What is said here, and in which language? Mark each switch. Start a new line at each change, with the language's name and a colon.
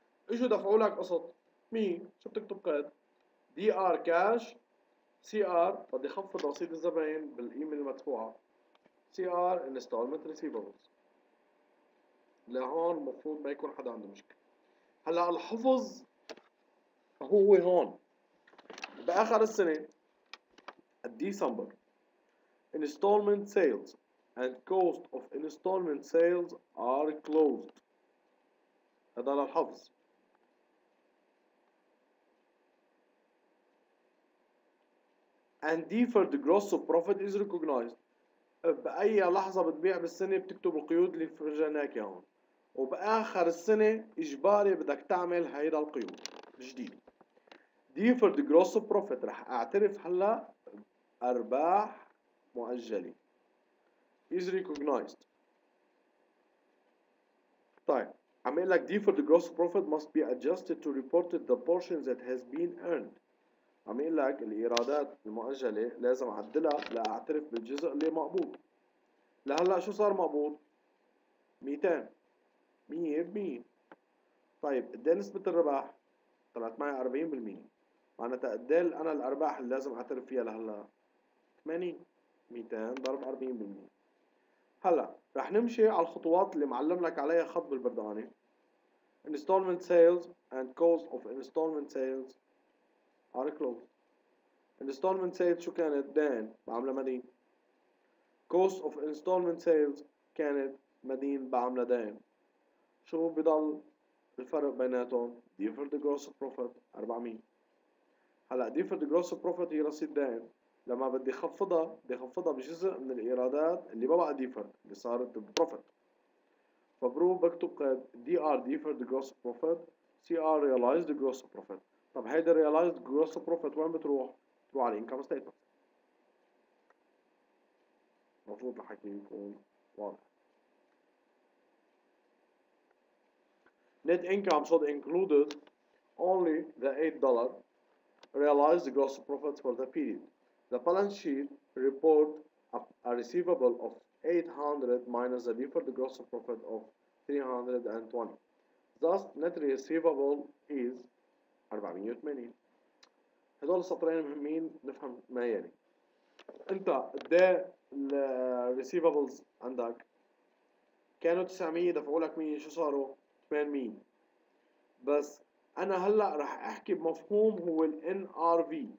Arabic: إجوا دفعوا لك قسط، مين؟ شو بتكتب قيد؟ دي آر كاش، سي آر بدي خفض رصيد الزبائن بالقيمة المدفوعة، سي آر انستولمنت ريسيفبلز. لهون المفروض ما يكون حدا عنده مشكلة. هلا الحفظ هو هون بآخر السنة ديسمبر.
English: Installment sales and cost of installment sales are closed.
Arabic: هذا للحفظ.
English: And deferred gross profit is recognized.
Arabic: بأي لحظة بتبيع بالسنة بتكتب القيود اللي فرجناك اياها هون. وبآخر السنة إجباري بدك تعمل هيدا القيود جديد.
English: Deferred gross profit
Arabic: رح اعترف هلا ارباح مؤجله
English: is recognized.
Arabic: طيب عم يقول لك
English: deferred gross profit must be adjusted to report the portion that has been earned.
Arabic: عم يقول لك الايرادات المؤجله لازم اعدلها لاعترف بالجزء اللي مقبوض. لهلا شو صار مقبوض؟ 200 100%. طيب قديه نسبة الرباح؟ طلعت معي 40%. معناتها قديه انا الارباح اللي لازم اعترف فيها لهلا؟ 80. 200 ضرب 40%. هلا رح نمشي على الخطوات اللي معلم لك عليها خط بالبرداني.
English: Installment sales and cost of installment sales are closed.
Arabic: Installment sales شو كانت؟ دين بعملة مدين. Cost of installment sales كانت مدين بعملة دين. شو بضل الفرق بيناتهم؟ Deferred gross profit 400. هلا Deferred gross profit هي رصيد دين. لما بدي خفضها بدي خفضها بجزء من الايرادات اللي ما بقى ديفرد اللي صارت بروفيت. فبرو بكتب قيد دي ار ديفرد جروس بروفيت، سي ار ريلايزد جروس بروفيت. طب هيدا ريلايزد جروس بروفيت وين بتروح؟ بتروح على الانكم ستيتمنت. المفروض الحكي يكون واضح.
English: Net income should included only the $8 realised gross profit for the period. The balance sheet report a receivable of 800 minus a deferred gross profit of 320. Thus, net receivable is 480.
Arabic: هدول السطرين مهمين نفهم ما يلي. انت ده ال receivables عندك كانوا 900 دفعوا لك 100 شو صاروا؟ 800. بس انا هلا رح احكي بمفهوم هو ال NRV.